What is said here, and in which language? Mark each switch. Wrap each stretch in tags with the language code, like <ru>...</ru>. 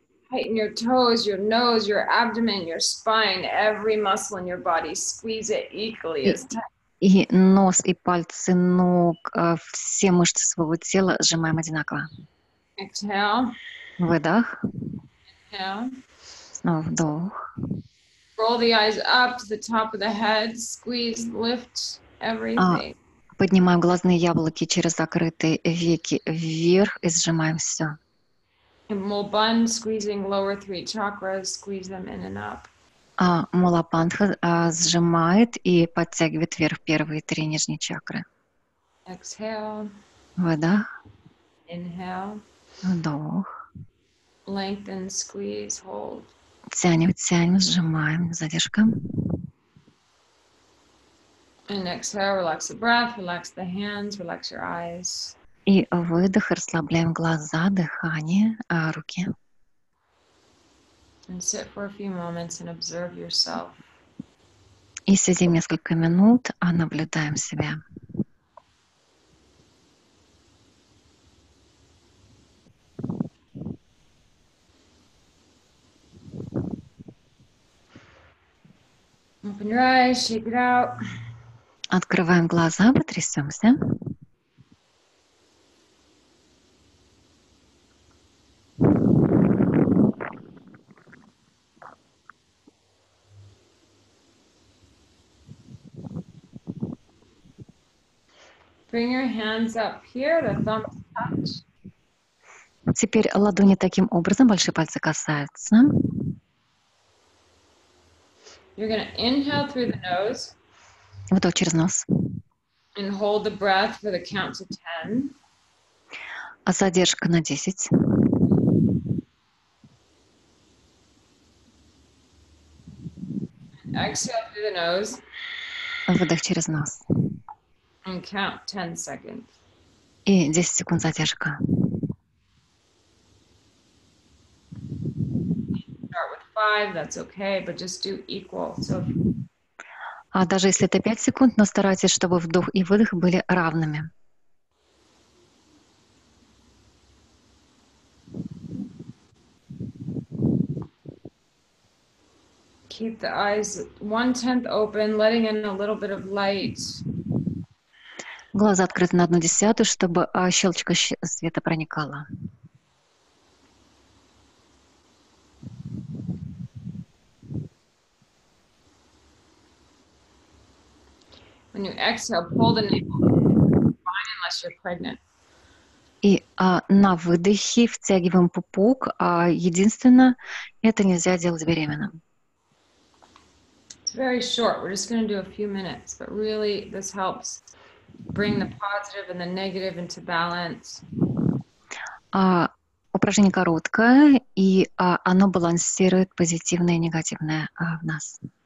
<en>Tighten your toes, your nose, your abdomen, your spine, every muscle in your body. Squeeze it equally as tight.</en> <ru>И нос, и пальцы ног, все мышцы своего тела сжимаем одинаково.</ru> <en>Exhale.</en> <ru>Выдох.</ru> <en>Exhale.</en> <ru>Снова вдох.</ru> <en>Roll the eyes up to the top of the head. Squeeze, lift everything.</en> <ru>Поднимаем глазные яблоки через закрытые веки вверх и сжимаем все.</ru> <en>Мулбан, squeezing lower three chakras, squeeze them in and up.</en> <ru>Мулапандха сжимает и подтягивает вверх первые три нижние чакры.</ru> <en>Exhale.</en> <ru>Выдох.</ru> <en>Inhale.</en> <ru>Вдох.</ru> <en>Lengthen, squeeze, hold.</en> <ru>Тянем, тянем, сжимаем. Задержка.</ru> <en>And exhale, relax the breath, relax the hands, relax your eyes.</en> <ru>И выдох, расслабляем глаза, дыхание, руки.</ru> <en>And sit for a few moments and observe yourself.</en> <ru>И сидим несколько минут, а наблюдаем себя.</ru> <en>Open your eyes, shake it out.</en> <ru>Открываем глаза, потрясемся.</ru> <en>Bring your hands up here, the thumbs touch.</en> <ru>Теперь ладони таким образом, большие пальцы касаются.</ru> <en>You're gonna inhale through the nose.</en> <ru>Вдох через нос.</ru> <en>And hold the breath for the count to ten.</en> <ru>А задержка на 10?</ru> <en>Exhale through the nose.</en> <ru>Выдох через нос.</ru> <en>And count 10 seconds.</en> <ru>И 10 секунд задержка.</ru> <en>Start with 5, that's okay, but just do equal. So...</en> <ru>А даже если это 5 секунд, но старайтесь, чтобы вдох и выдох были равными.</ru> <en>Keep the eyes 1/10 open, letting in a little bit of light.</en> <ru>Глаза открыты на 1/10, чтобы щелочка света проникала.</ru> <en>When you exhale, pull the navel, unless you're pregnant.</en> <ru>И на выдохе втягиваем пупок, а единственное, это нельзя делать беременным.</ru> <en>It's very short. We're just going to do a few minutes, but really this helps bring the positive and the negative into balance.</en> <ru>Упражнение короткое, и оно балансирует позитивное и негативное в нас.</ru>